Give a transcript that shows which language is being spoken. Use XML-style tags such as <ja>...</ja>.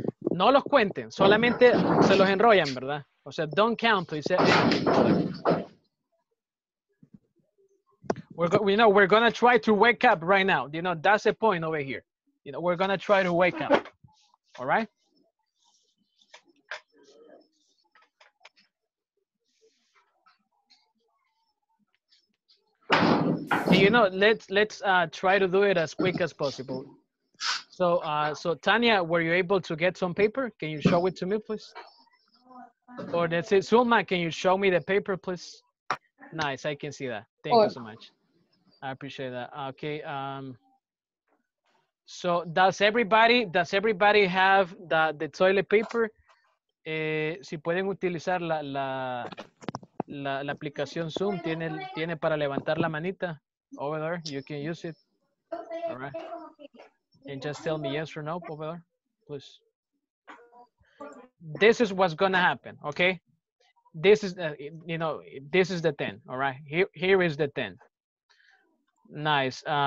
<es>No los cuenten, solamente se los enrollan, ¿verdad? O sea,</es> <en>don't count, please. We're gonna try to wake up right now. You know, that's the point over here. You know, we're gonna try to wake up. All right? You know, let's try to do it as quick as possible. So Tanya, were you able to get some paper? Can you show it to me, please? Or that's it. Zulma, can you show me the paper, please? Nice, I can see that. Thank you so much. I appreciate that. Okay. So does everybody have the toilet paper?</en> <es>Si pueden utilizar la aplicación Zoom, tiene para levantar la manita.</es> <en>Over there, you can use it. All right. And just tell me yes or no, over there, please. This is what's gonna happen, okay? This is, you know, this is the 10, all right? Here is the 10. Nice.</en>